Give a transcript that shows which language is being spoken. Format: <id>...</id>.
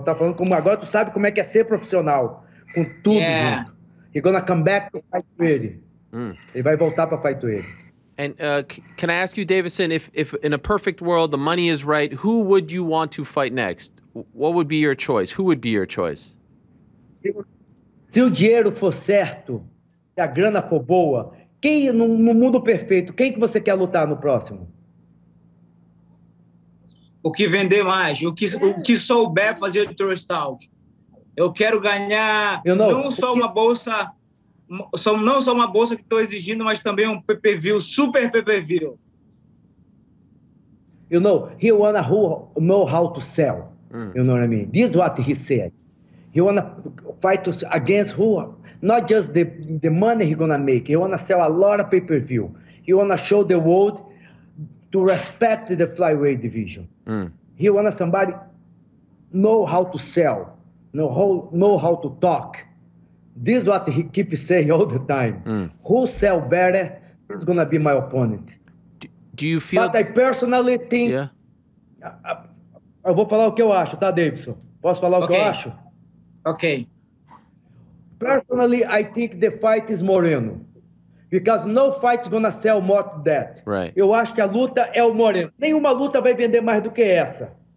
<pt>Tá falando como agora tu sabe como é que é ser profissional. Com tudo</pt> <en>yeah.</en> <pt>junto.</pt> <en>He's going to come back to fight with ele.</en> <pt>Ele vai voltar para</pt> <en>fight with</en> <pt>ele.</pt> <en>And can I ask you, Deiveson, if in a perfect world the money is right, who would you want to fight next? What would be your choice? Who would be your choice?</en> <pt>Se o dinheiro for certo, se a grana for boa, quem no mundo perfeito, quem que você quer lutar no próximo? O que vender mais, o que souber fazer o trash talk. Eu quero ganhar não só uma bolsa que estou exigindo, mas também um pay-per-view, super pay-per-view.</pt> <en>You know, he wanna know how to sell. You know what I mean? This is what he said. He wanna fight against who? Not just the money he gonna make. He wanna sell a lot of pay-per-view. He wanna show the world to respect the flyweight division. He wanna somebody know how to sell, know how to talk. This is what he keeps saying all the time. Who sell better is gonna be my opponent. Do you feel? But I personally think. Yeah.</en> <pt>Eu vou falar o que eu acho, tá, Deiveson? Posso falar o</pt> <en>okay.</en> <pt>que eu acho?</pt> <en>Ok. Personally, I think the fight is Moreno. Because no fight is going to sell more than that. Right.</en> <pt>Eu acho que a luta é o Moreno. Nenhuma luta vai vender mais do que essa.</pt>